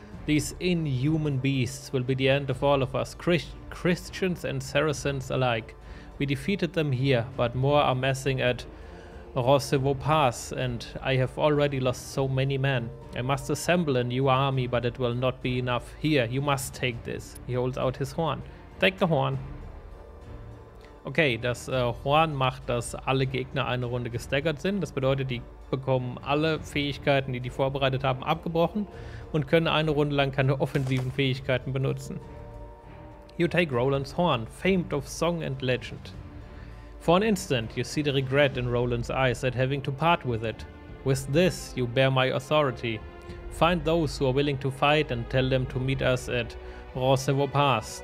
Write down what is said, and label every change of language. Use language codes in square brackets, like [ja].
[en] These inhuman beasts will be the end of all of us, Christians and Saracens alike. We defeated them here, but more are massing at Roncevaux Pass, and I have already lost so many men. I must assemble a new army, but it will not be enough. Here, you must take this. He holds out his horn. Take the horn. [de] Okay, das Horn macht, dass alle Gegner eine Runde gestaggert sind. Das bedeutet, die bekommen alle Fähigkeiten, die vorbereitet haben, abgebrochen und können eine Runde lang keine offensiven Fähigkeiten benutzen. [en] You take Roland's horn, famed of song and legend. For an instant, you see the regret in Roland's eyes at having to part with it. With this, you bear my authority. Find those who are willing to fight and tell them to meet us at Roncevaux Pass.